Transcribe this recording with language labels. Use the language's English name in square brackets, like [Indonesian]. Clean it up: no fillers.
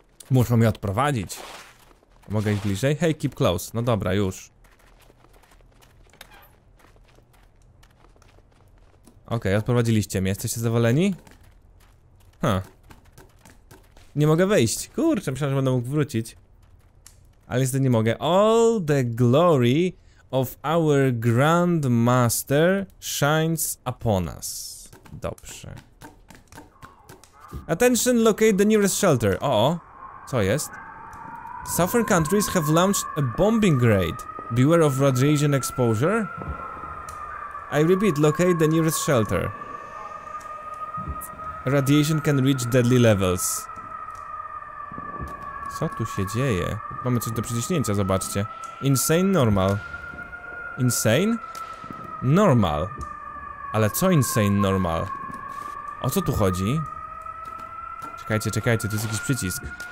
[Polish] Muszą mnie odprowadzić. Mogę iść bliżej? [English] Hey, keep close. [Polish] No dobra, już. Okej, odprowadziliście mnie. Jesteście zadowoleni? Ha. Nie mogę wejść. Kurczę, myślałem, że będę mógł wrócić. Ale niestety nie mogę. [English] All the glory of our Grand Master shines upon us. Dobrze. Attention, locate the nearest shelter. [Polish] O, co jest? [English] Southern countries have launched a bombing raid. Beware of radiation exposure. I repeat, locate the nearest shelter. Radiation can reach deadly levels. [Polish] Co tu się dzieje? Mamy coś do przyciśnięcia, zobaczcie. [English] Insane, normal. Insane? Normal. [Polish] Ale co insane, normal? O co tu chodzi? Czekajcie, tu jest jakiś przycisk.